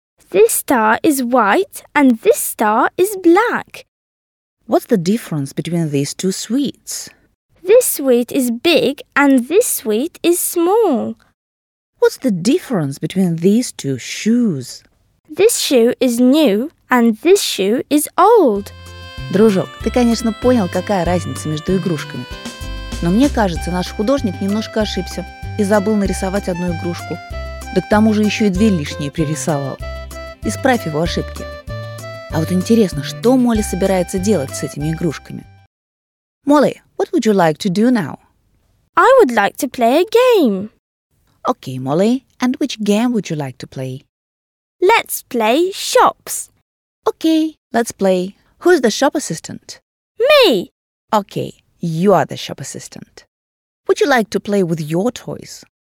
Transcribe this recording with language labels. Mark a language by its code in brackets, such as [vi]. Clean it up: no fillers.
[en] This star is white and this star is black. What's the difference between these two sweets? This sweet is big and this sweet is small. What's the difference between these two shoes? This shoe is new and this shoe is old. [ru] Дружок, ты, конечно, понял, какая разница между игрушками. Но мне кажется, наш художник немножко ошибся и забыл нарисовать одну игрушку. Да к тому же еще и две лишние пририсовал. Исправь его ошибки. А вот интересно, что Молли собирается делать с этими игрушками? [en] Молли, what would you like to do now? I would like to play a game. Okay, Molly, and which game would you like to play? Let's play shops. Okay, let's play. Who's the shop assistant? Me. Okay, you are the shop assistant. Would you like to play with your toys?